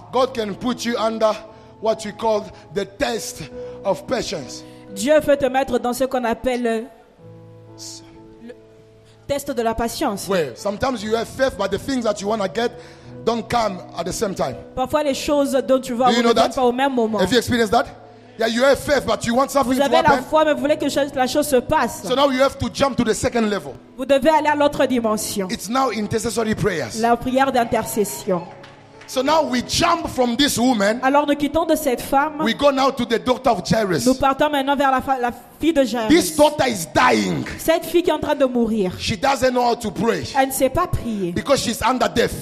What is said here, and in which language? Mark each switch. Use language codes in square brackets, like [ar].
[en] God can put you under what we call the test of patience. [fr] Dieu peut te mettre dans ce qu'on appelle le test de la patience. [en] Well, sometimes you have faith, but the things that you want to get don't come at the same time. [fr] Parfois les choses dont tu veux ne pas au même moment. [en] Have you experienced that? Yeah, you have faith, but you want something to happen. [fr] Vous avez la foi, mais vous voulez que la chose se passe. [en] So now you have to jump to the second level. [fr] Vous devez aller à l'autre dimension. [en] It's now intercessory prayers. [fr] La prière d'intercession. [en] So now we jump from this woman. [fr] Alors nous quittons de cette femme. [en] We go now to the daughter of Jairus. [fr] Nous partons maintenant vers la fille de Jairus. [en] This daughter is dying. [fr] Cette fille qui est en train de mourir. [en] She doesn't know how to pray. [fr] Elle ne sait pas prier. [en] Because she's under death.